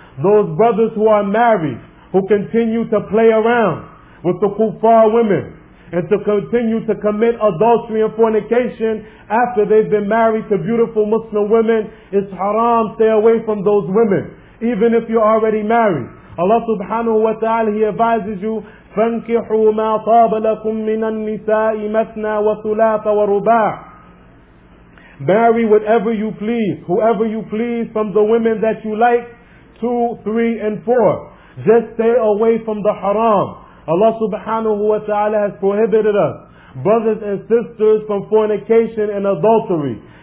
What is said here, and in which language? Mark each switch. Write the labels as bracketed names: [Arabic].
[English] Those brothers who are married, who continue to play around with the kuffar women, and to continue to commit adultery and fornication after they've been married to beautiful Muslim women, it's haram, stay away from those women. Even if you're already married. Allah subhanahu wa ta'ala, He advises you, [Arabic] فَانْكِحُوا مَا طَابَ لَكُم مِّنَ النِّسَاءِ مَثْنَى وَثُلَاثَ وَرُبَاعَ. [English] Marry whatever you please, whoever you please from the women that you like, 2, 3, and 4. Just stay away from the haram. Allah subhanahu wa ta'ala has prohibited us, brothers and sisters, from fornication and adultery.